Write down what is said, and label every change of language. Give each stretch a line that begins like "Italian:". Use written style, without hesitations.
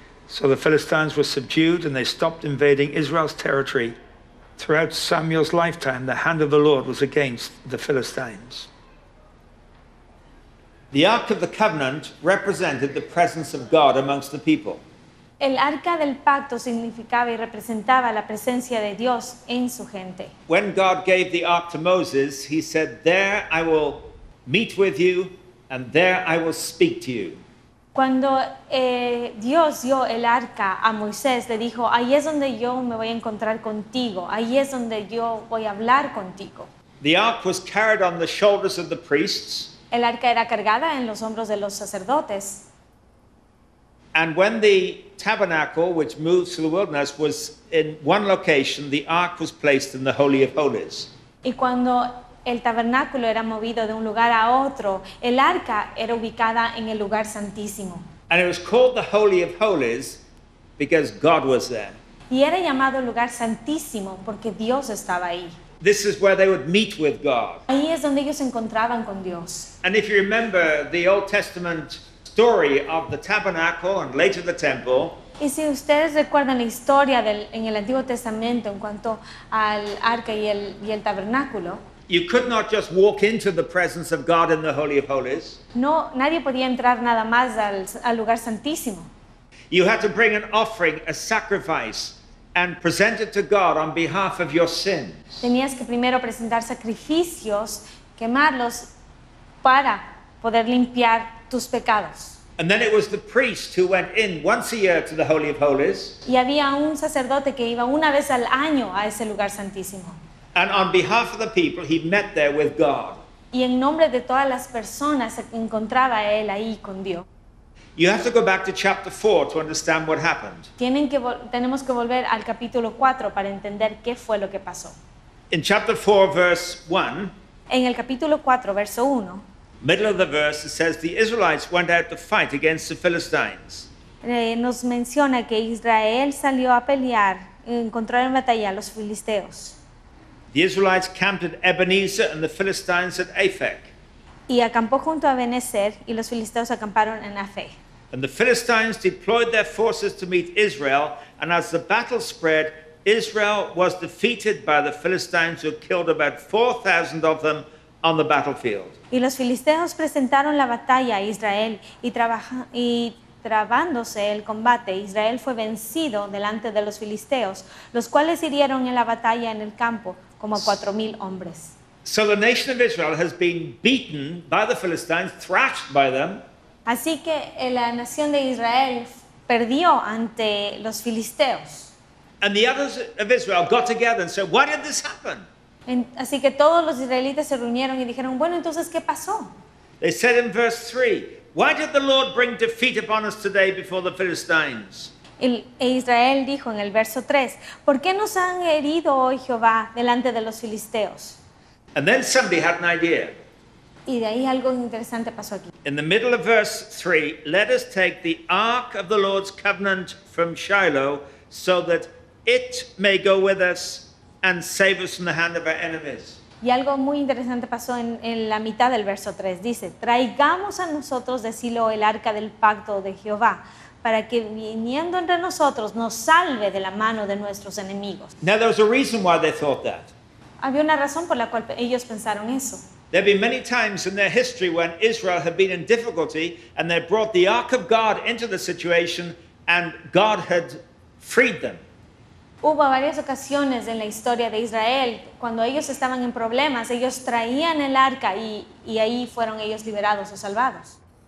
English: So the Philistines were subdued and they stopped invading Israel's territory. Throughout Samuel's lifetime, the hand of the Lord was against the Philistines. The Ark of the Covenant represented the presence of God amongst the people.
Spanish: El arca del pacto significaba y representaba la presencia de Dios en su gente.
English: When God gave the ark to Moses, he said, "There I will meet with you, and there I will speak to you."
Spanish: Cuando Dios dio el arca a Moisés, le dijo, "Ahí es donde yo me voy a encontrar contigo, ahí es donde yo voy a hablar contigo."
English: The ark was carried on the shoulders of the priests.
Spanish: El arca era cargada en los hombros de los sacerdotes.
English: And when the tabernacle, which moves through the wilderness, was in one location, the ark was placed in the Holy of Holies.
Spanish: Y cuando el tabernáculo era movido de un lugar a otro, el arca era ubicada en el lugar santísimo.
English: And it was called the Holy of Holies because God was there.
Spanish: Y era llamado lugar santísimo porque Dios estaba ahí.
English: This is where they would meet with God.
Spanish: Ahí es donde ellos se encontraban con Dios.
English: And if you remember the Old Testament story of the tabernacle and later the temple.
Spanish: Y si ustedes recuerdan la historia del en el Antiguo Testamento en cuanto al arca y el tabernáculo.
English: You could not just walk into the presence of God in the Holy of Holies.
Spanish: No, nadie podía entrar nada más al lugar santísimo.
English: You had to bring an offering, a sacrifice, and present it to God on behalf of your sins.
Spanish: Tenías que primero presentar sacrificios, quemarlos para poder limpiar tus pecados.
English: And then it was the priest who went in once a year to the Holy of Holies.
Spanish: Y había un sacerdote que iba una vez al año a ese lugar santísimo.
English: And on behalf of the people, he met there with God.
Spanish: Y en nombre de todas las personas se encontraba él ahí con Dios.
English: You have to go back to chapter 4 to understand what happened.
Spanish: Tenemos que volver al capítulo 4 para entender qué fue lo que pasó.
English: In chapter 4, verse 1.
Spanish: En el capítulo 4, verso 1.
English: Middle of the verse, it says the Israelites went out to fight against the Philistines.
Spanish: Nos menciona que Israel salió a pelear, encontró en batalla a los filisteos.
English: The Israelites camped at Ebenezer and the Philistines at Aphek.
Spanish: Y acampó junto a Ebenezer y los filisteos acamparon en Aphek.
English: And the Philistines deployed their forces to meet Israel, and as the battle spread, Israel was defeated by the Philistines, who killed about 4,000 of them on the battlefield.
Spanish: Y los filisteos presentaron la batalla a Israel, y trabándose el combate, Israel fue vencido delante de los filisteos, los cuales hirieron en la batalla en el campo como 4,000 hombres.
English: So the nation of Israel has been beaten by the Philistines, thrashed by them.
Spanish: Así que la nación de Israel perdió ante los filisteos.
English: And the others of Israel got together and said, "Why did this happen?"
Spanish: Así que todos los israelitas se reunieron y dijeron, bueno, entonces, ¿qué pasó?
English: They said in verse 3, "Why did the Lord bring defeat upon us today before the Philistines?"
Spanish: Israel dijo en el verso 3, "¿Por qué nos han herido hoy Jehová delante de los filisteos?"
English: And then somebody had an idea.
Spanish: Y de ahí algo interesante pasó aquí.
English: In the middle of verse 3, "Let us take the ark of the Lord's covenant from Shiloh so that it may go with us and save us from the hand of our enemies."
Spanish: Y algo muy interesante pasó en la mitad del verso 3. Dice, traigamos a nosotros de Silo el arca del pacto de Jehová, para que viniendo entre nosotros nos salve de la mano de nuestros enemigos.
English: Now, there was a reason why they thought that.
Spanish: Había una razón por la cual ellos pensaron eso.
English: There have been many times in their history when Israel had been in difficulty and they brought the Ark of God into the situation and God had freed them.
Spanish: Hubo varias ocasiones en la historia de Israel cuando ellos estaban en problemas, ellos traían el arca y ahí fueron ellos liberados o salvados.